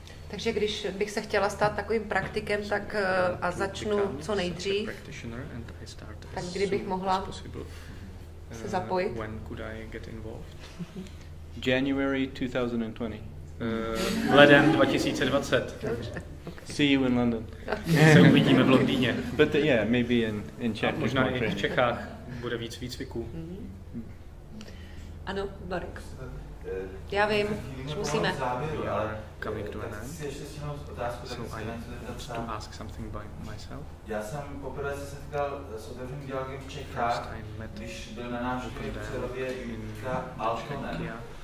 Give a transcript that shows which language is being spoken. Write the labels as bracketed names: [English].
[Czech] Takže když bych se chtěla stát takovým praktikem, tak a začnu co nejdřív, tak kdybych mohla se zapojit. [English] When could I get involved? January 2020. [Czech] Leden 2020. [English] See you in London. [Czech] Se uvidíme v Londýně. [English] But the, yeah, maybe in Czech. [Czech] A možná i v Čechách bude víc výcviků. Mm-hmm. Ano, Barik. Já vím, že musíme. [English] Coming to an end. So I want to ask something by myself. [Czech] Já jsem poprvé se setkal s otevřeným dialogem v Čechách, když byl na návštěvě předově Jitka Altonen.